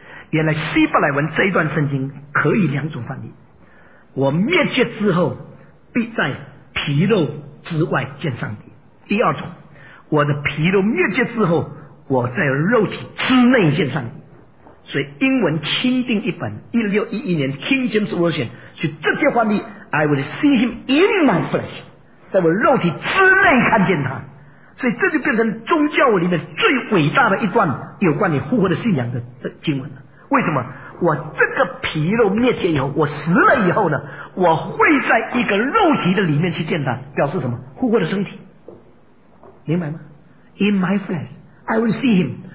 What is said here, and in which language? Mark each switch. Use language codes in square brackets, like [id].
[zh] 原来希伯来文这一段圣经可以两种翻译：我灭绝之后，必在皮肉之外见上帝；第二种，我的皮肉灭绝之后，我在肉体之内见上帝。所以英文钦定一本1611年 King James Version 是这些翻译。 [en] I will see him in my flesh，在我肉体之内看见他。 [zh] 所以这就变成宗教里面最伟大的一段有关你复活的信仰的经文了。为什么？我这个皮肉灭绝以后，我死了以后呢，我会在一个肉体的里面去见他，表示什么？复活的身体，明白吗？ In my flesh I will see him。